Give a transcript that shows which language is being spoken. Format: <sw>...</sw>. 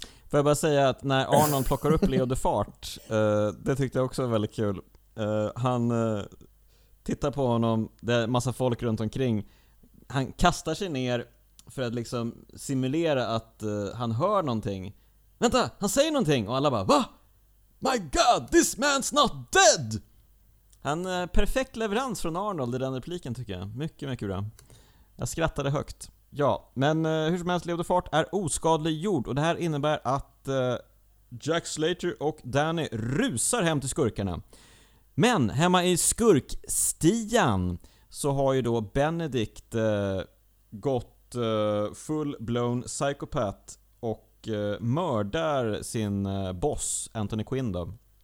<sv>Får jag bara säga att när Arnold plockar upp Leo Defart, det tyckte jag också var väldigt kul. Han tittar på honom, det är massa folk runt omkring. Han kastar sig ner för att liksom simulera att han hör någonting. Vänta, han säger någonting! Och alla bara, va?</sv> <en>My god, this man's not dead!</en> <sv>Han perfekt leverans från Arnold i den repliken, tycker jag. Mycket, mycket bra. Jag skrattade högt. Ja, men hur som helst, Leo Defart är oskadliggjord, och det här innebär att Jack Slater och Danny rusar hem till skurkarna. Men hemma i skurkstian så har ju då Benedict gått</sv> <en>full-blown psychopath</en> <sv>och mördar sin boss Anthony Quinn då.</sv>